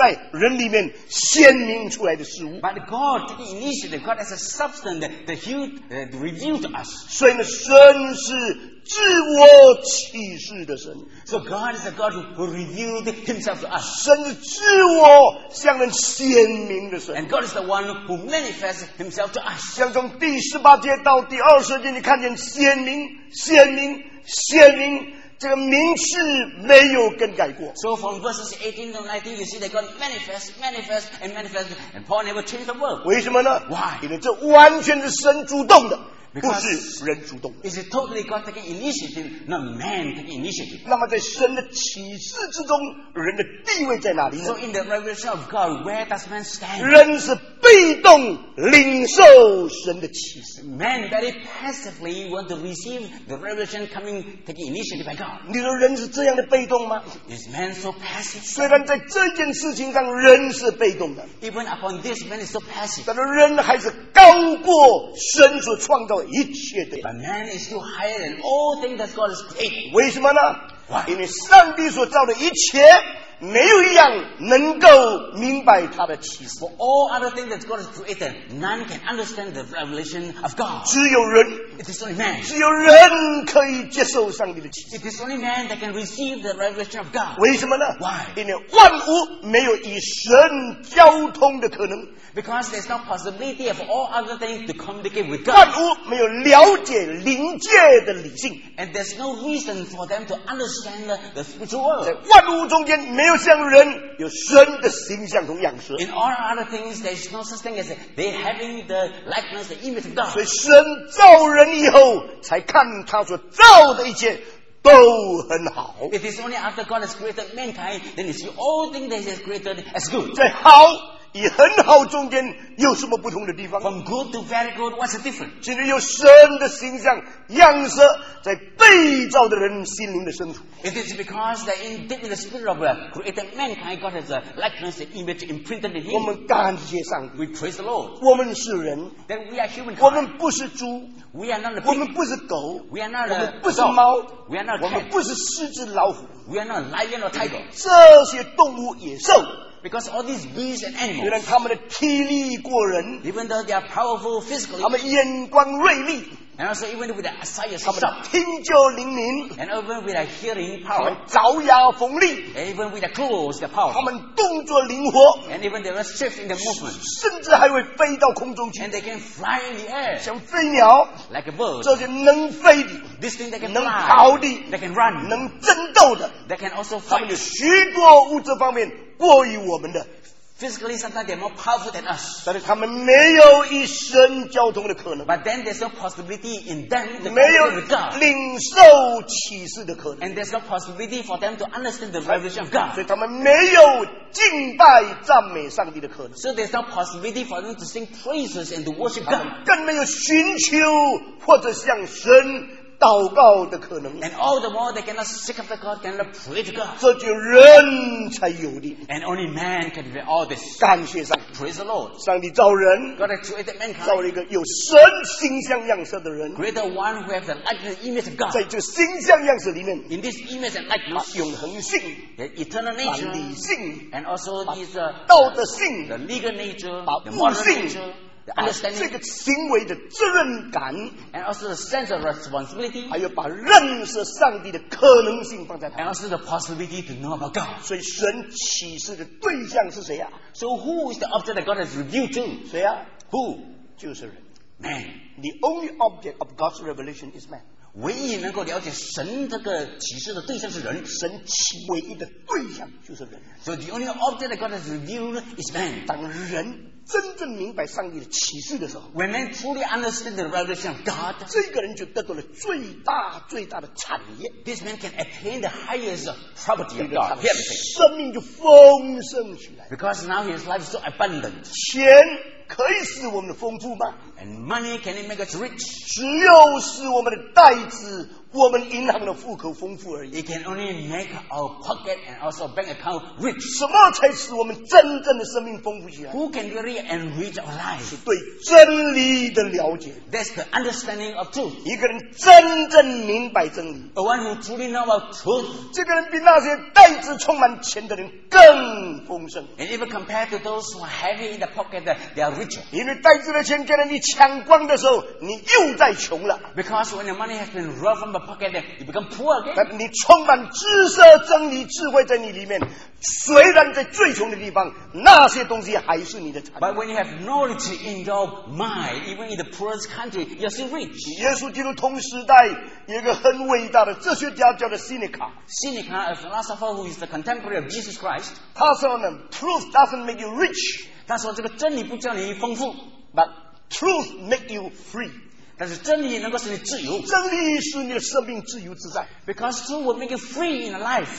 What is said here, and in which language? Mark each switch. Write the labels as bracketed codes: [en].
[zh] 乃是以神作本位，神作本体，他自己放在人里面鲜明出来的事物。 [en] But God took the initiative, God as a substance that he revealed to us. [zh] 所以呢，神是 自我启示的神。 [en] So God is a God who revealed himself to us. [zh] 神自我向人显明的神。 [en] And God is the one who manifests himself to us. [zh] 像从第18节到第20节，你看见显明，显明，显明。这个名词没有更改过。 [en] So from verses 18 to 19, you see that God manifest, and Paul never changed the word. [zh] 为什么呢？ [en] Why? [zh] 因为这完全是神主动的。不是人主动的。 [en] Is it totally God taking initiative, not man taking initiative? [zh] 那么在神的启示之中，人的地位在哪里呢？ [en] So in the revelation of God, where does man stand? [zh] 人是被动领受神的启示。 [en] Man very passively want to receive the revelation coming, taking initiative by God. [zh] 你说人是这样的被动吗？ [en] Is man so passive? [zh] 虽然在这件事情上人是被动的。 [en] Even upon this, man is so passive. [zh] 但是人还是高过神所创造一切的。 [en] But man is still higher than all things that God has created. [zh] 为什么呢？ [en] Why? [zh] 因为上帝所造的一切没有一样能够明白他的启示。 [en] For all other things that God has created, none can understand the revelation of God. [zh] 只有人， [en] it is only man. [zh] 只有人可以接受上帝的启示。 [en] It is only man that can receive the revelation of God. [zh] 为什么呢？ [en] Why? [zh] 因为万物没有与神交通的可能。 [en] Because there's no possibility of all other things to communicate with God. [zh] 万物没有了解灵界的理性。 [en] And there's no reason for them to understand the spiritual world. [zh] 在万物中间没有像人有神的形象和样式。 [en] In all other things, there's no such thing as they having the likeness, the image of God. [zh] 所以神造人以后，才看他所造的一切都很好。 [en] It is only after God has created mankind, then you see all things that He has created as good. [zh] 在好与很好中间有什么不同的地方？ [en] From good to very good, what's the difference? [zh] 其实有神的形象样式在被造的人心灵的深处。 [en] It is because that in the spirit of created mankind, God has a likeness, an image imprinted in him. [zh] 我们感谢上帝。 [en] We praise the Lord. [zh] 我们是人。 [en] Then we are human. [zh] 我们不是猪。 [en] We are not a pig. [zh] 我们不是狗。 [en] We are not a dog. [zh] 我们不是猫。 [en] We are not a cat. [zh] 我们不是狮子老虎。 [en] We are not a lion or tiger. [zh] 这些动物野兽。 [en] Because all these beasts and animals, [zh] 虽然他们的体力过人， [en] even though they are powerful physically, [zh] 他们眼光锐利， [en] and also even with their eyesight, [zh] 他们的听觉灵敏， [en] and even with their hearing power, [zh] 他们爪牙锋利， [en] and even with their claws, their power, [zh] 他们动作灵活， [en] and even they are swift in their movement, [zh] 甚至还会飞到空中去， [en] and they can fly in the air, [zh] 像飞鸟， [en] like a bird, [zh] 这些能飞的， [en] this thing that can fly, [zh] 能跑的， [en] that can run, [zh] 能争斗的， [en] that can also fight, [zh] 他们的许多物质方面过于我们的。 [en] Physically, sometimes they're more powerful than us. [zh] 但是他们没有与神交通的可能。 [en] But then there's no possibility in them to communicate with God. [zh] 没有领受启示的可能。 [en] And there's no possibility for them to understand the revelation of God. [zh] 所以他们没有敬拜赞美上帝的可能。 [en] So there's no possibility for them to sing praises and to worship God. [zh] 更没有寻求或者向神祷告的可能。 [en] And all the more they cannot seek after God, cannot pray to God. [zh] 这就人才有的。 [en] And only man can do all this. [zh] 感谢上帝。 [en] Praise the Lord. [zh] 上帝造人， [en] God has created mankind. [zh] 造了一个有神形象样式的人。 [en] Create the one who has the likeness and image of God. [zh] 在这形象样式里面， [en] In this image and likeness, [zh] 把永恒性， [en] The eternal nature, [zh] 把理性， [en] And also this, [zh] 把道德性， [en] The legal nature, [zh] 把 [en] The moral [zh] 性 [en] nature,The understanding, [zh] 这个行为的责任感， [en] and also the sense of responsibility, [zh] 还有把认识上帝的可能性放在他， [en] and also the possibility to know about God. [zh] 所以神启示的对象是谁啊？ [en] So who is the object that God has revealed to? [zh] 谁啊？ [en] Who? [zh] 就是人。 [en] Man. The only object of God's revelation is man. [zh] 唯一能够了解神这个启示的对象是人。神启唯一的对象就是人。 [en] So the only object that God has revealed is man. [zh] 当人真正明白上帝的启示的时候， [en] When man truly understand the revelation of God, [zh] 这个人就得到了最大最大的产业。 [en] This man can attain the highest property of God. [zh] 生命就丰盛起来。 [en] Because now his life is so abundant. [zh] 钱可以使我们的丰富吗？ [en] And money can it make us rich? [zh] 只有使我们的袋子我们银行的户口丰富而已。 [en] It can only make our pocket and also bank account rich. [zh] 什么才使我们真正的生命丰富起来？ [en] Who can really enrich our life? [zh] 是对真理的了解。 [en] That's the understanding of truth. [zh] 一个人真正明白真理， [en] A one who truly knows about truth, [zh] 这个人比那些袋子充满钱的人更丰盛。 [en] And even compared to those who are heavy in the pocket, they are richer. [zh] 因为袋子的钱跟你抢光的时候，你又在穷了。 [en] Because when your money has been robbed from the pocket, you become poor again. [zh] 但你充满知识、真理、智慧在你里面，虽然在最穷的地方，那些东西还是你的产品。 [en] But when you have knowledge in your mind, even in the poorest country, you're still rich. [zh] 耶稣基督同时代有一个很伟大的哲学家叫做 Seneca. [en] Seneca, a philosopher who is the contemporary of Jesus Christ. [zh] 他说呢， [en] truth doesn't make you rich. [zh] 他说这个真理不叫你丰富， [en] but truth make you free. [zh] 但是真理能够使你自由，真理使你的生命自由自在。 [en] Because truth will make you free in life.